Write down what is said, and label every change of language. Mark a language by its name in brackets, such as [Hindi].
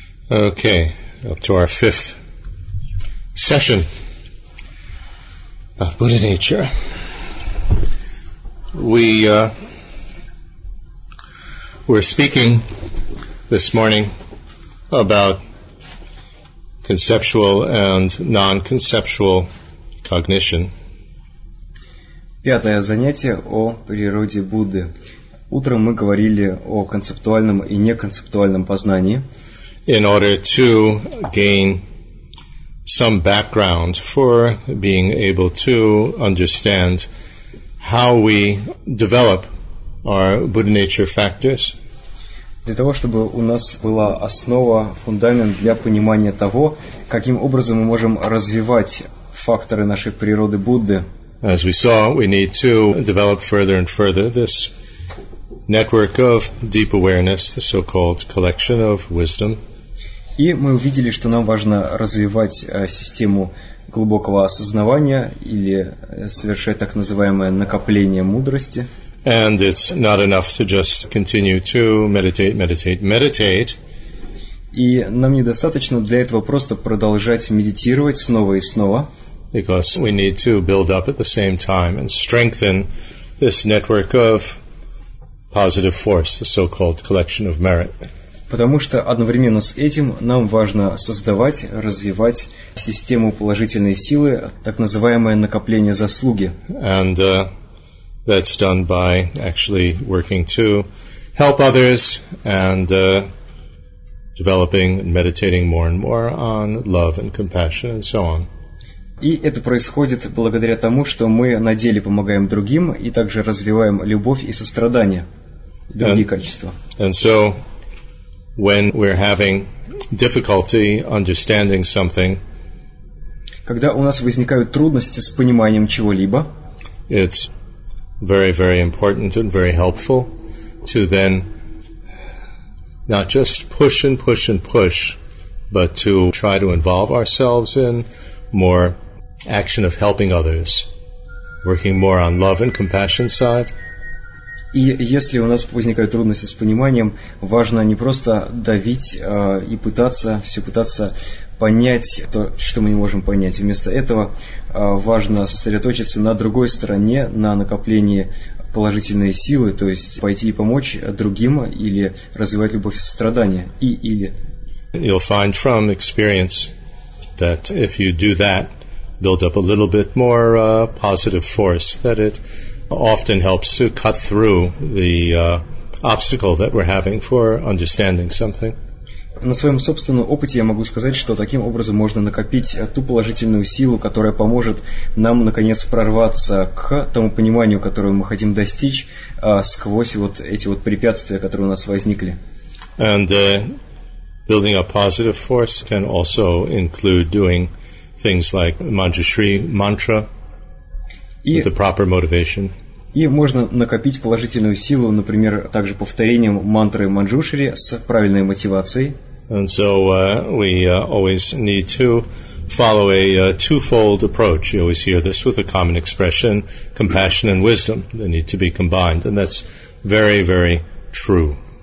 [English] Okay, up to our fifth session about Buddha nature. We're speaking this morning about conceptual and non-conceptual cognition. [Russian] Пятое занятие о природе Будды. Утром мы говорили о концептуальном и неконцептуальном познании. [English] In order to gain some background for being able to understand how we develop our Buddha nature factors. [Russian] Для того, чтобы у нас была основа, фундамент для понимания того, каким образом мы можем развивать факторы нашей природы Будды. [English] As we saw, we need to develop further and further this network of deep awareness, the so-called collection of wisdom. [Russian] И мы увидели, что нам важно развивать систему глубокого осознавания или совершать так называемое накопление мудрости. [English] And it's not enough to just continue to meditate, meditate, meditate. [Russian] И нам недостаточно для этого просто продолжать медитировать снова и снова. [English] Because we need to build up at the same time and strengthen this network of positive force, the so-called collection of merit. [Russian] Потому что одновременно с этим нам важно создавать, развивать систему положительной силы, так называемое накопление заслуги. [English] And that's done by actually working to help others and developing and meditating more and more on love and compassion and so on. [Russian] И это происходит благодаря тому, что мы на деле помогаем другим и также развиваем любовь и сострадание, другие качества. [English] And so when we're having difficulty understanding something, [Russian] когда у нас возникают трудности с пониманием чего-либо, [English] it's very, very important and very helpful to then not just push and push and push, but to try to involve ourselves in more action of helping others, working more on love and compassion side. [Russian] И если у нас возникают трудности с пониманием, важно не просто давить и пытаться понять то, что мы не можем понять. Вместо этого важно сосредоточиться на другой стороне, на накоплении положительной силы, то есть пойти и помочь другим или развивать любовь и сострадание. И-или. [English] You'll find from experience that if you do that, build up a little bit more positive force, that it often helps to cut through the obstacle that we're having for understanding something. [Russian] На своем собственном опыте я могу сказать, что таким образом можно накопить ту положительную силу, которая поможет нам наконец прорваться к тому пониманию, которое мы хотим достичь, сквозь вот эти вот препятствия, которые у нас возникли. [English] And building up positive force can also include doing things like Manjushri mantra. With the proper motivation. [Russian] И можно накопить положительную силу, например, также повторением мантры Манджушри с правильной мотивацией. [English] And so we always need to follow a twofold approach. You always hear this with a common expression, compassion and wisdom. They need to be combined, and that's very, very true.